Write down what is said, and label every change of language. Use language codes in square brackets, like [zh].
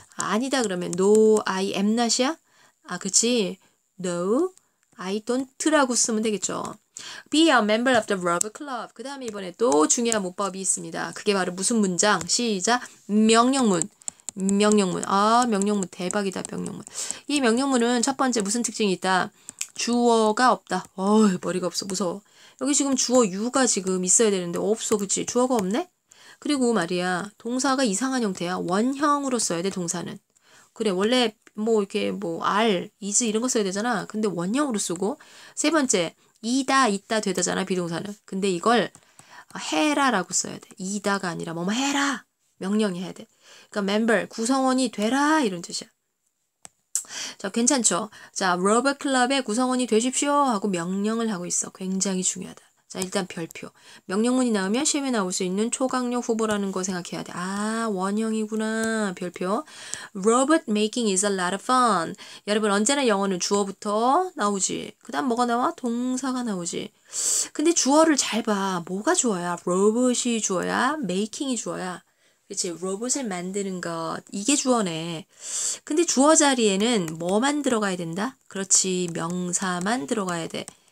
[ko] 아니다 그러면 [en] no, I am not [ko] 이야? 아, 그치? [en] No, I don't [ko] 라고 쓰면 되겠죠. [en] Be a member of the Robert Club. [ko] 그 다음에 이번에 또 중요한 문법이 있습니다. 그게 바로 무슨 문장? 시작! 명령문. 명령문. 아, 명령문 대박이다, 명령문. 이 명령문은 첫 번째 무슨 특징이 있다? 주어가 없다. 어이, 머리가 없어. 무서워. 여기 지금 주어 유가 지금 있어야 되는데 없어. 그치? 주어가 없네? 그리고 말이야. 동사가 이상한 형태야. 원형으로 써야 돼, 동사는. 그래, 원래 뭐 이렇게 뭐 are, is 이런 거 써야 되잖아. 근데 원형으로 쓰고. 세 번째, 이다, 있다, 되다잖아, 비동사는. 근데 이걸 해라라고 써야 돼. 이다가 아니라 뭐뭐 해라. 명령이 해야 돼. 그러니까 member, 구성원이 되라 이런 뜻이야. 자, 괜찮죠? 자, 로봇 클럽의 구성원이 되십시오 하고 명령을 하고 있어. 굉장히 중요하다. 자, 일단 별표. 명령문이 나오면 시험에 나올 수 있는 초강력 후보라는 거 생각해야 돼. 아, 원형이구나. 별표. [en] Robot making is a lot of fun. [ko] 여러분, 언제나 영어는 주어부터 나오지. 그다음 뭐가 나와? 동사가 나오지. 근데 주어를 잘 봐. 뭐가 주어야? 로봇이 주어야? 메이킹이 주어야? 그치, 로봇을 만드는 것. 이게 주어네. 근데 주어 자리에는 뭐만 들어가야 된다? 그렇지, 명사만 들어가야 돼.